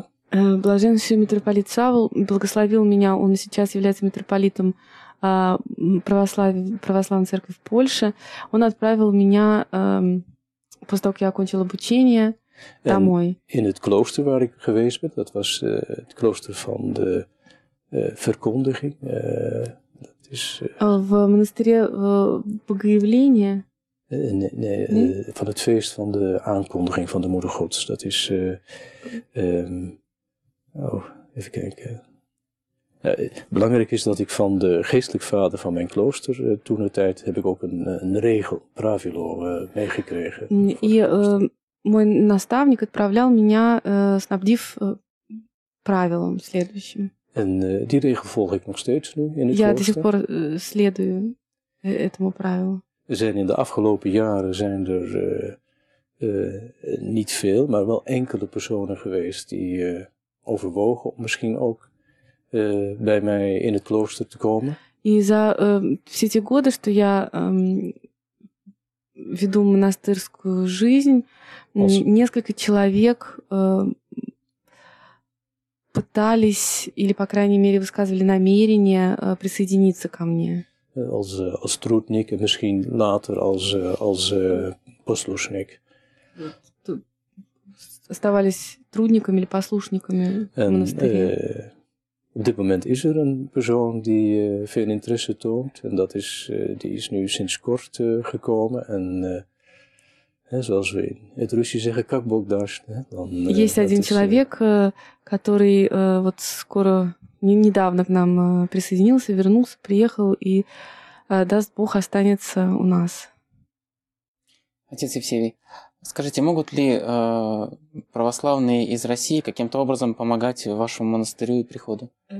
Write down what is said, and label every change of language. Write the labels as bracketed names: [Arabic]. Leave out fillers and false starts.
[Russian] Блаженнейший митрополит Савва благословил меня, он сейчас является митрополитом православной церкви в Польше. Он отправил меня, после того, как я окончил обучение, домой. [Dutch] In het klooster waar ik geweest ben, dat was het klooster van de verkondiging. Dat is, [Russian] в монастыре Богоявления. [Dutch] Van het feest van de aankondiging van de Moeder Gods. Dat is, even kijken. Belangrijk is dat ik van de geestelijk vader van mijn klooster, toenertijd heb ik ook een regel, pravilo, meegekregen. [Russian] Мой наставник отправлял меня, снабдив правилом следующим. [Dutch] En die regel volg ik nog steeds nu in het klooster? [Russian] Ja, до сих пор следую этому правилу. [Dutch] Zijn in de afgelopen jaren zijn er niet veel, maar wel enkele personen geweest die overwogen om misschien ook bij mij in het klooster te komen. [Russian] И за все эти годы, что я веду монастырскую жизнь, несколько человек пытались или по крайней мере высказывали намерение присоединиться ко мне. [Dutch] Als troetnik en misschien later als poslušnik. [Russian] Оставались трудниками или послушниками в монастыре. [Dutch] Op dit moment is er een persoon die veel interesse toont. En dat is, die is nu sinds kort gekomen. En zoals we in het Russisch zeggen, [Russian] как Бог даст. Есть один человек, который вот скоро, недавно к нам присоединился, вернулся, приехал и даст Бог, останется у нас. Отец Евсевий, скажите, могут ли православные из России каким-то образом помогать вашему монастырю и приходу?